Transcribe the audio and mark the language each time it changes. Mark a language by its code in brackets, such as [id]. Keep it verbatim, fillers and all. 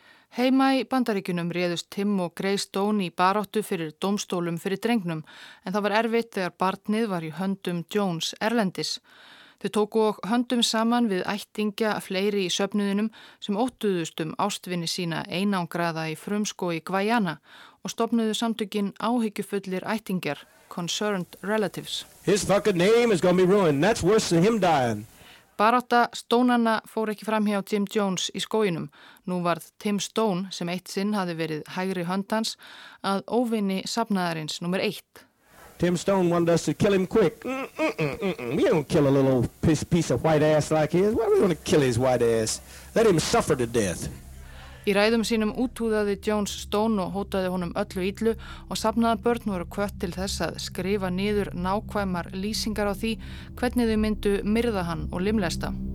[is] Heima í Bandaríkjunum réðust Tim og Grace Stone í baráttu fyrir dómstólum fyrir drengnum, en það var erfitt þegar barnið var í höndum Jones erlendis. Þau tóku og höndum saman við ættingja fleiri í söfnuðinum sem óttuðust um ástvinni sína einangraða í frumskói í Gvajana og stofnuðu samtökin áhyggjufullir ættingjar, Concerned Relatives. [en] His fucking name is gonna be ruined. That's worse than him dying. [is] Barátta Stónanna fór ekki fram hjá Jim Jones í skóginum. Nú varð Tim Stone, sem eitt sinn hafði verið hægri hönd hans, að óvinni safnaðarins númer eitt. [en] Tim Stone wanted us to kill him quick. Mm, mm, mm, mm, mm. We don't kill a little piece, piece of white ass like his. Why are we going to kill his white ass? Let him suffer to death. [is] Í ræðum sínum úthúðaði Jones Stone og hótaði honum öllu illu og safnaðarbörn voru hvött til þess að skrifa niður nákvæmar lýsingar á því hvernig þau myndu myrða hann og limlesta.